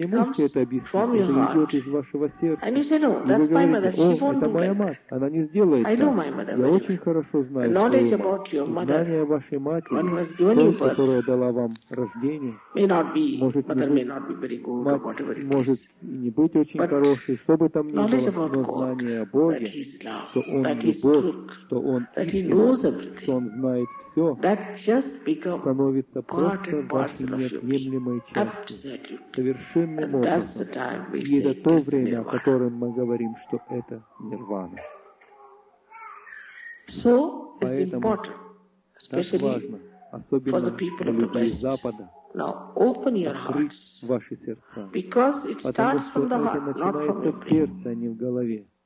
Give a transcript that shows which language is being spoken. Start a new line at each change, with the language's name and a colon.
English: It comes from your heart. And you say, no, that's my mother. She won't do that. I know my mother very well. The knowledge about your mother, one who has given you birth, may not be very good or whatever.
Russian: Может и не быть очень хороший, что бы там ни было, но знание о Боге, что Он любовь, что Он истина, что Он знает все, становится просто вашей неотъемлемой частью, совершенным образом. И это то время, о котором мы говорим, что это нирвана. Поэтому так важно, особенно для людей Запада,
English: now open your hearts, because it starts from the heart, not from the brain.